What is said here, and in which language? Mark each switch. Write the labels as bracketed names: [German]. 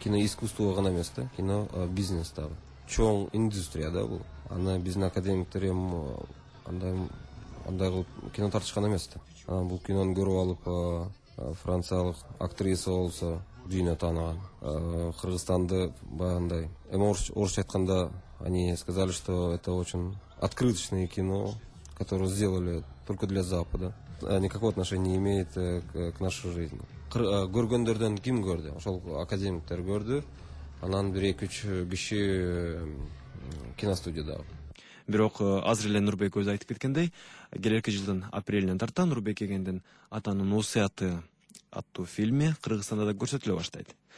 [Kyrgyz] Кино искусство гана эмес да, кино бизнес дагы. Чоң индустрия да бул. Аны биздин академиктер эми андай кылып кино тартышкан эмес да. Анан бул кинону көрүп алып франциялык актриса болсо дүйнө тааныган. Кыргызстанды баягындай эми орусча айтканда [Russian] они сказали, что это очень открыточное кино, которое сделали только для Запада. Никакого отношения не имеет к нашей жизни. [Kyrgyz] Көргөндөрдөн ким көрдү? Ошол академиктер көрдү. Анан 1-2-3 киши киностудияда. Бирок азыр эле Нурбек өзү айтып кеткендей, келерки жылдын апрелинен тарта Нурбек Эгендин Атанын Осуяты аттуу фильми Кыргызстанда да көрсөтүлө баштайт.